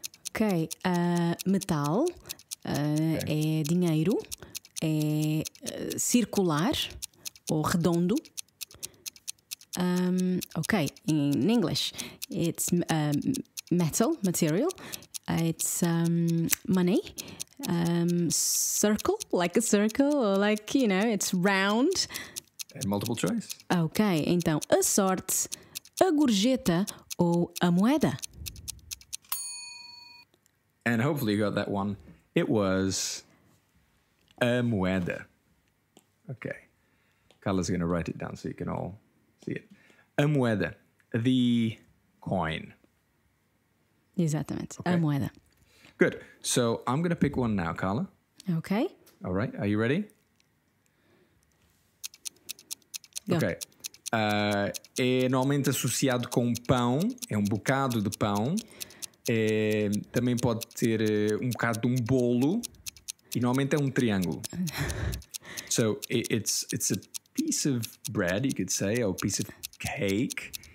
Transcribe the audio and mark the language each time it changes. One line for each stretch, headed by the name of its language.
Portuguese: Okay, metal. É dinheiro, é circular ou redondo.
English: Okay, in English, it's metal, material. It's money. Circle, like a circle, or like, you know, it's round. And multiple choice.
Portuguese: Okay, então, a sorte, a gorjeta ou a moeda.
English: And hopefully you got that one. It was a moeda. Okay. Carla's going to write it down so you can all see it. A moeda, the coin.
Portuguese: Exatamente, okay. A moeda.
English: Good. So I'm going to pick one now, Carla. Okay. All right. Are you ready? Go.
Portuguese: Okay. É normalmente associado com pão. É um bocado de pão. É, também pode ter um bocado de um bolo. E normalmente é um triângulo.
English: So it's a piece of bread, you could say, or a piece of cake.